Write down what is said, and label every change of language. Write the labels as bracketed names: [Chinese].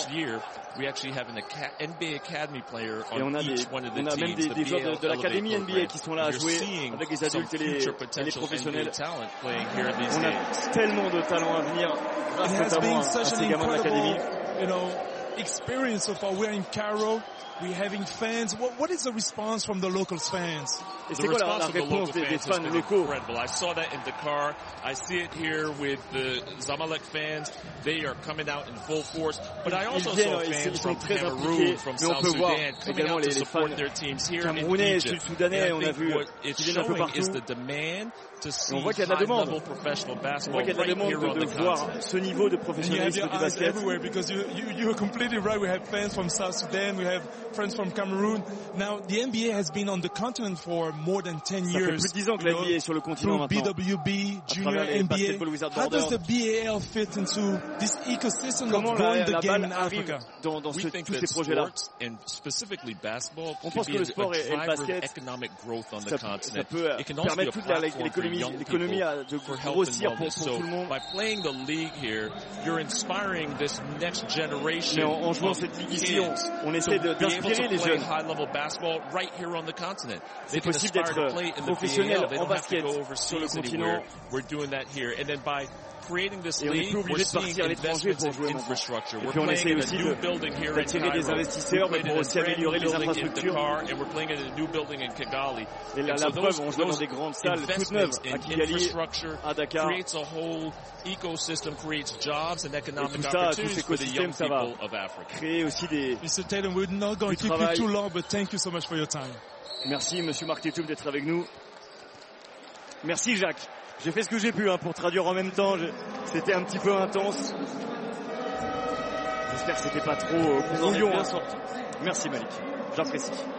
[English] Year, we actually have an NBA Academy player on [French] et on a, même des joueurs de l'Académie NBA qui sont là à jouer avec les adultes et les professionnels. On a tellement de talents à venir, notamment à ces gamins de l'Académie. [English] You know, experience so far. We're in Cairo. We're having fans. What is the response from the locals fans? The response of the local fans has been incredible. I saw that in Dakar. I see it here with the Zamalek fans. They are coming out in full force. But I also saw fans from Cameroon, from South Sudan, coming out to support their teams here in Egypt. And I think what it's showing is the demand to see high-level professional basketball right here on the continent. And you have your eyes everywhere because you are completely right. We have fans from South Sudan. We have friends from Cameroon. Now, the NBA has been on the continent for more than 10 years. [French] Ça fait plus de 10 ans que la NBA est sur le continent maintenant. [English] BWB, Junior NBA. How does the BAL fit into this ecosystem of growing the game in Africa? [French] Dans tous ces projets-là. [English] And specifically basketball, [French] on pense que le sport et le basket, ça peut permettre toute l'économie de grossir pour tout le monde. [English] By playing the league here, you're inspiring this next generation. [French] Mais en jouant cette ligue ici, on essaie d'inspirer les jeunes. [English] High-level basketball right here on the continent. [French] C'est possible d'être professionnel en basket sur le continent. [English] We're doing that here, and then by creating this league, we're seeing investments in infrastructure. We're playing in a new building here in Cairo. We're playing in a brand new building in Dakar, and we're playing in a new building in Kigali. [French] Et la preuve, on joue dans des grandes salles toutes neuves à Kigali, à Dakar. [English] Creates a whole ecosystem, creates jobs and economic opportunities for the young people of Africa. [French] Créer aussi des [English] Mr. Tatum, we're not going to keep you too long, but thank you so much for your time. [French] Merci, Monsieur Marc Tatum, d'être avec nous. Merci, Jacques. J'ai fait ce que j'ai pu hein, pour traduire en même temps, c'était un petit peu intense. J'espère que c'était pas trop brouillon. Merci Malik, j'apprécie.